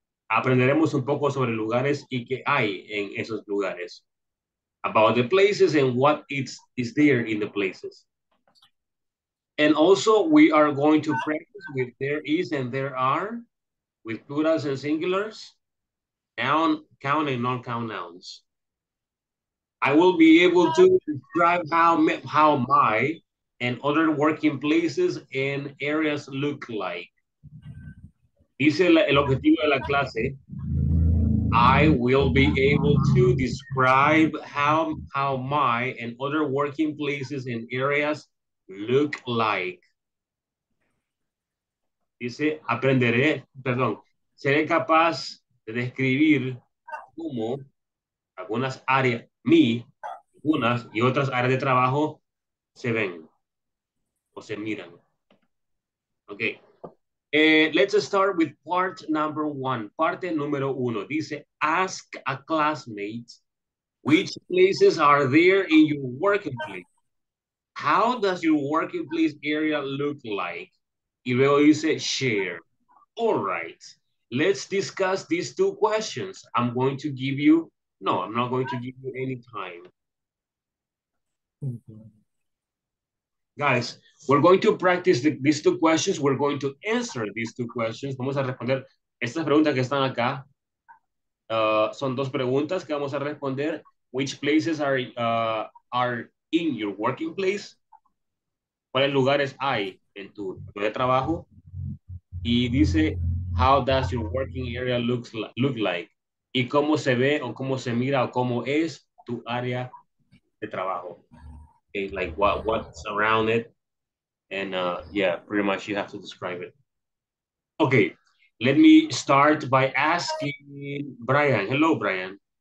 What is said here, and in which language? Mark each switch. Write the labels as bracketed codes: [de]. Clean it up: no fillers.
[es] Aprenderemos un poco sobre lugares y qué hay en esos lugares. [en] About the places and what is there in the places. And also we are going to practice with there is and there are, with plurals and singulars, noun, count and non-count nouns. I will be able to describe how my and other working places and areas look like. [es] Dice el objetivo de la clase. [en] I will be able to describe how my and other working places and areas look like. [es] Dice, aprenderé, perdón, seré capaz de describir cómo algunas áreas, mi, unas y otras áreas de trabajo se ven o se miran. [en] Okay. Let's start with part number one. [es] Parte número uno. Dice, [en] ask a classmate which places are there in your working place. How does your working place area look like? [es] Y luego dice, [en] share. All right. Let's discuss these two questions. I'm going to give you, no, I'm not going to give you any time. Guys, we're going to practice these two questions. We're going to answer these two questions. [es] Vamos a responder estas preguntas que están acá. Son dos preguntas que vamos a responder. [en] Which places are in your working place? [es] ¿Cuáles lugares hay en tu lugar de trabajo? Y dice, [en] how does your working area look like? [es] ¿Y cómo se ve o cómo se mira o cómo es tu área de trabajo? [en] Okay, like what's around it. And yeah, pretty much you have to describe it. Okay, let me start by asking Brian. Hello, Brian.